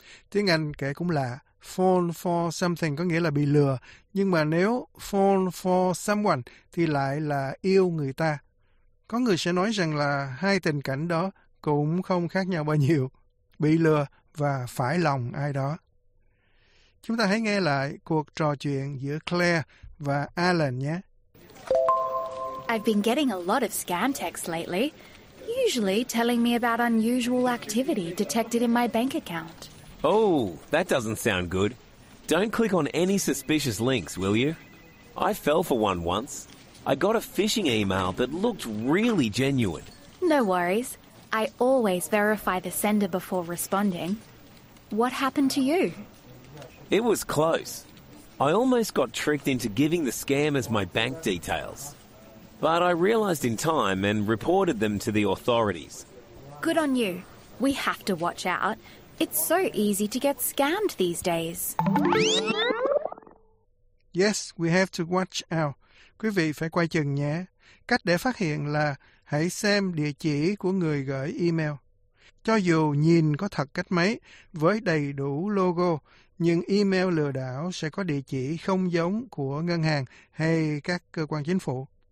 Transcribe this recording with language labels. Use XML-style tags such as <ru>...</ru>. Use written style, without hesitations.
<vi>Tiếng Anh kể cũng lạ.</vi> <en>Fall for something</en> <vi>có nghĩa là bị lừa, nhưng mà nếu</vi> <en>fall for someone</en> <vi>thì lại là yêu người ta. Có người sẽ nói rằng là hai tình cảnh đó cũng không khác nhau bao nhiêu, bị lừa và phải lòng ai đó. Chúng ta hãy nghe lại cuộc trò chuyện giữa Claire và Alan nhé.</vi> <en>I've been getting a lot of scam texts lately, usually telling me about unusual activity detected in my bank account. Oh, that doesn't sound good. Don't click on any suspicious links, will you? I fell for one once. I got a phishing email that looked really genuine. No worries. I always verify the sender before responding. What happened to you? It was close. I almost got tricked into giving the scammers my bank details. But I realized in time and reported them to the authorities. Good on you. We have to watch out. It's so easy to get scammed these days. Yes, we have to watch out.</en> <vi>Quý vị phải coi chừng nhé. Cách để phát hiện là hãy xem địa chỉ của người gửi email. Cho dù nhìn có thật cách mấy, với đầy đủ logo, nhưng email lừa đảo sẽ có địa chỉ không giống của ngân hàng hay các cơ quan chính phủ.</vi>